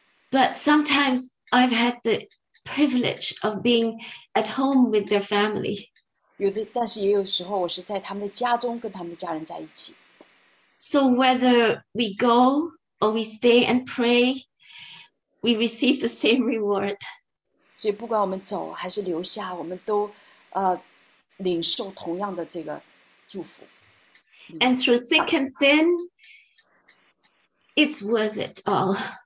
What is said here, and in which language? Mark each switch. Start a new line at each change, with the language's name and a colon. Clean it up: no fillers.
English: But sometimes I've had the privilege of being at home with their family.
Chinese: 有的，但是也有时候我是在他们的家中跟他们的家人在一起。
English: So whether we go or we stay and pray, we receive the same reward.
Chinese: 所以不管我们走还是留下，我们都领受同样的这个祝福。
English: And through thick and thin, it's worth it all.